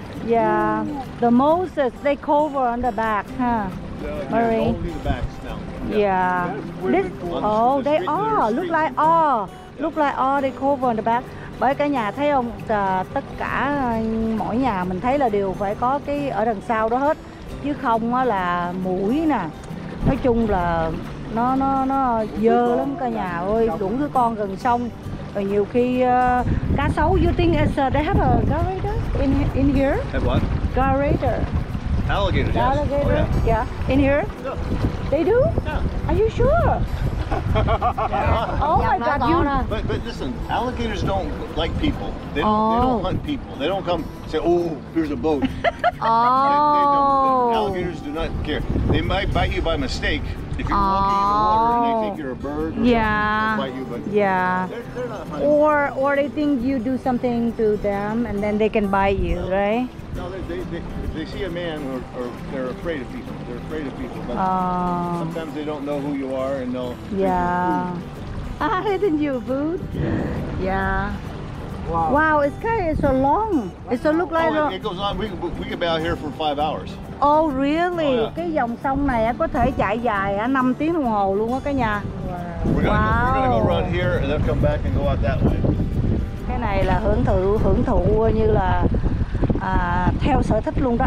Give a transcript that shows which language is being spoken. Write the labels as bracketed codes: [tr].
[en] Yeah, the Moses they cover on the back, huh? Yeah, Mary. Only the backs now. Yeah. This, oh, they are. Look like all. Look like all they cover on the back. [vi] Bởi cả nhà thấy không? Tất cả mỗi nhà mình thấy là đều phải có cái ở đằng sau đó hết. Chứ không là mũi nè. Nói chung là nó dơ lắm cả nhà ơi. Đủ thứ con gần sông. Và nhiều khi cá sấu. [en] You think it's they have a garator in here? Have what? Garator. Alligator, yes. Alligator, oh, yeah. Yeah. In here? Yeah. They do? Yeah. Are you sure? Oh my God, you know. But listen, alligators don't like people. They don't hunt people. They don't come say, oh, here's a boat. Oh. They alligators do not care. They might bite you by mistake If you're walking in the water, they think you're a bird. Yeah. They'll bite you, but yeah. Or they think you do something to them, and then they can bite you, right? No, they see a man, or they're afraid of people. They're afraid of people, but sometimes they don't know who you are, and they'll yeah. Ah, isn't you food? Yeah. Wow. Wow, this guy is so long. It's so look like it goes on. We could be out here for 5 hours. Oh really? Oh, yeah. [vi] Cái dòng sông này có thể chạy dài 5 tiếng đồng hồ luôn á cả nhà. [en] Wow. We're gonna go around here and then come back and go out that way. [vi] Cái này là hưởng thụ như là theo sở thích luôn đó.